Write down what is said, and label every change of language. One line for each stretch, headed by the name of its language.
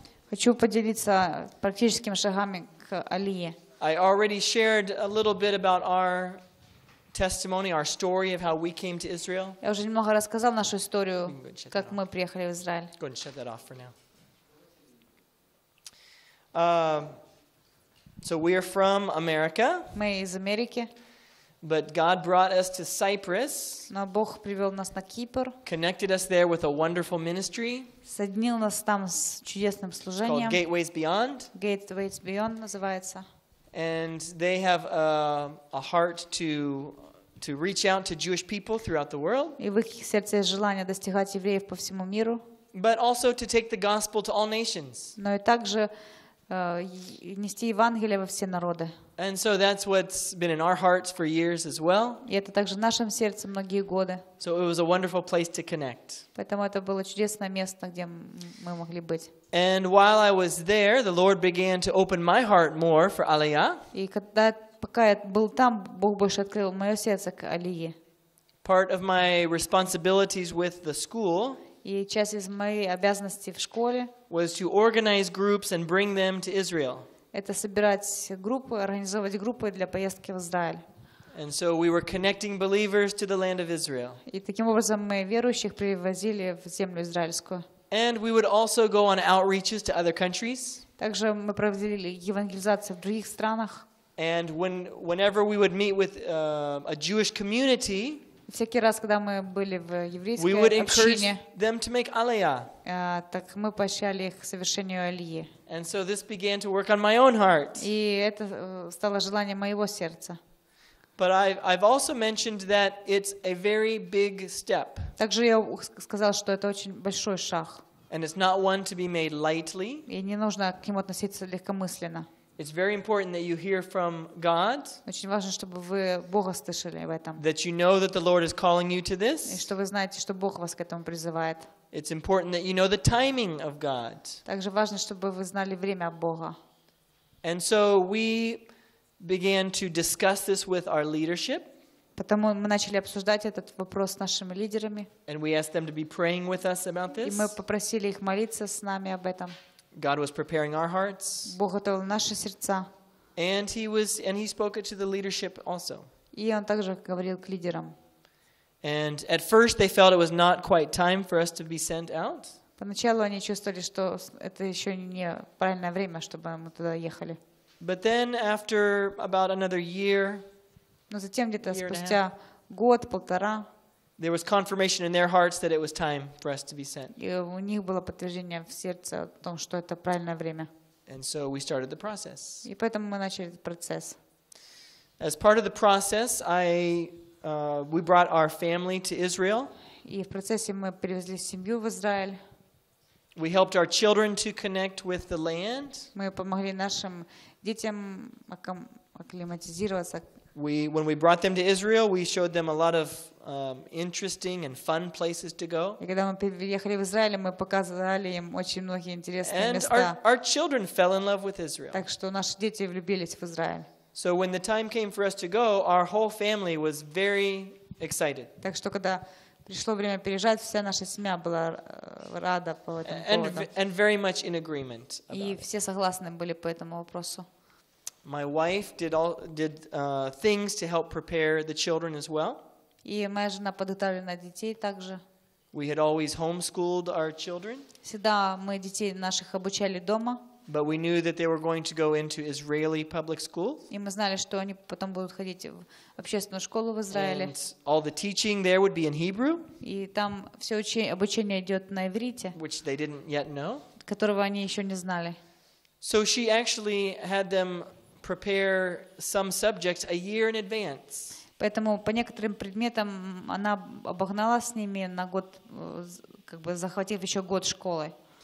Russian: Хочу поделиться практическими шагами к Алии.
English: I already shared a little bit about our testimony, our story of how we came to Israel.
Russian: Я уже немного рассказал нашу историю, как мы приехали в Израиль.
English: Go ahead and shut that off for now. So we are from America.
Russian: Мы из Америки.
English: But God brought us to Cyprus.
Russian: Но Бог привел нас на Кипр.
English: Connected us there with a wonderful ministry.
Russian: Соединил нас там с чудесным служением.
English: It's called Gateways Beyond.
Russian: Gateways Beyond называется.
English: And they have a heart to reach out to Jewish people throughout the world.
Russian: И в их сердце есть желание достигать евреев по всему миру.
English: But also to take the gospel to all nations.
Russian: Но и также нести Евангелие во все народы.
English: And so that's what's been in our hearts for years as well.
Russian: И это также в нашем сердце многие годы.
English: So it was a wonderful place to connect.
Russian: Поэтому это было чудесное место, где мы могли быть.
English: And while I was there, the Lord began to open my heart more for Alia.
Russian: И когда пока я был там, Бог больше открыл мое сердце к Алии.
English: Part of my responsibilities with the school.
Russian: И часть из моей обязанности в школе.
English: Was to organize groups and bring them to Israel.
Russian: Это собирать группы, организовывать группы для поездки в Израиль.
English: And so we were connecting believers to the land of Israel.
Russian: И таким образом мы верующих привозили в землю израильскую.
English: And we would also go on outreaches to other countries.
Russian: Также мы проводили евангелизацию в других странах.
English: And whenever we would meet with a Jewish community,
Russian: всякий раз, когда мы были в еврейской общине,
English: them to make aliyah.
Russian: Так мы поощряли их к совершению Алии.
English: And so this began to work on my own heart.
Russian: И это стало желанием моего сердца.
English: But I've also mentioned that it's a very big step.
Russian: Также я сказал, что это очень большой шаг.
English: And it's not one to be made lightly.
Russian: И не нужно к нему относиться легкомысленно.
English: It's very important that you hear from God.
Russian: Очень важно, чтобы вы Бога слышали в этом.
English: That you know that the Lord is calling you to this.
Russian: И что вы знаете, что Бог вас к этому призывает.
English: It's important that you know the timing of God.
Russian: Также важно, чтобы вы знали время Бога.
English: And so we began to discuss this with our leadership.
Russian: Потому мы начали обсуждать этот вопрос с нашими лидерами.
English: And we asked them to be praying with us about this.
Russian: И мы попросили их молиться с нами об этом.
English: God was preparing our hearts.
Russian: Бог готовил наши сердца.
English: And he spoke it to the leadership also.
Russian: И он также говорил к лидерам.
English: And at first they felt it was not quite time for us to be sent out.
Russian: Поначалу они чувствовали, что это еще не правильное время, чтобы мы туда ехали.
English: But then after about another year,
Russian: но затем где-то спустя год, полтора,
English: there was confirmation in their hearts that it was time for us to be sent.
Russian: И у них было подтверждение в сердце о том, что это правильное время.
English: And so we started the process.
Russian: И поэтому мы начали процесс.
English: As part of the process, we brought our family to Israel.
Russian: И в процессе мы привезли семью в Израиль.
English: We helped our children to connect with the land.
Russian: Мы помогли нашим детям акклиматизироваться.
English: When we brought them to Israel, we showed them a lot of interesting and fun places to go.
Russian: И когда мы приехали в Израиль, мы показали им очень многие интересные места.
English: And our children fell in love with Israel.
Russian: Так что наши дети влюбились в Израиль.
English: So when the time came for us to go, our whole family was very excited.
Russian: Так что когда пришло время переезжать, вся наша семья была рада по этому поводу.
English: And very much in agreement.
Russian: И все согласны были по этому вопросу.
English: My wife did things to help prepare the children as well.
Russian: И моя жена подготовила детей также.
English: We had always homeschooled our children.
Russian: Всегда мы детей наших обучали дома.
English: But we knew that they were going to go into Israeli public school.
Russian: И мы знали, что они потом будут ходить в общественную школу в Израиле.
English: And all the teaching there would be in Hebrew.
Russian: И там все обучение идет на иврите.
English: Which they didn't yet know.
Russian: Которого они еще не знали.
English: So she actually had them prepare some subjects a year in advance.
Russian: Поэтому по некоторым предметам она обогнала с ними на год, как бы захватив еще год школы.